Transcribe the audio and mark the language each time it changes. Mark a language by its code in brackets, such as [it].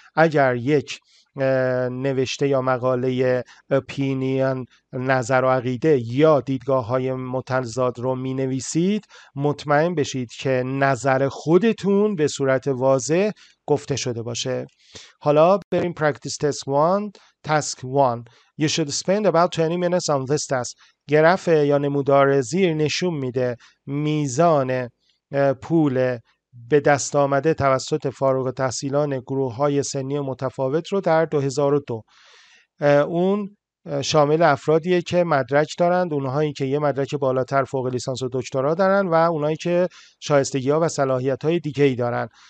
[fa] اگر یک نوشته یا مقاله opinion، نظر و عقیده یا دیدگاه های متضاد رو می نویسید، مطمئن بشید که نظر خودتون به صورت واضح گفته شده باشه. حالا بریم practice task 1. [en] task 1: you should spend about 20 minutes on this task. [fa] گراف یا نمودار زیر نشون میده میزان پول به دست آمده توسط فارغ التحصیلان گروه های سنی متفاوت رو در 2002. اون شامل افرادیه که مدرک دارند، اونهایی که یه مدرک بالاتر فوق لیسانس و دکترا دارن و اونهایی که شایستگی ها و صلاحیت های دیگه ای دارن.